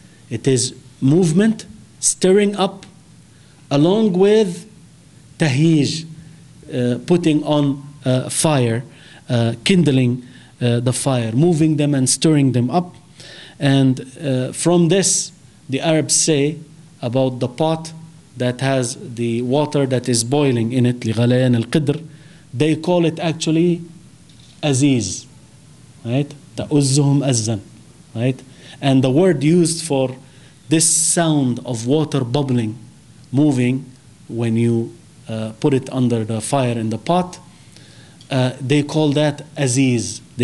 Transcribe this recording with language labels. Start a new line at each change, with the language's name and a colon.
English: It is movement, stirring up, along with تهييج, putting on fire, kindling the fire, moving them and stirring them up. And from this, the Arabs say about the pot that has the water that is boiling in it,
Arabic: لغليان القدر,
English: they call it actually Aziz, right?
Arabic: تأزهم أزن, right?
English: And the word used for this sound of water bubbling, moving, when you put it under the fire in the pot, they call that Aziz.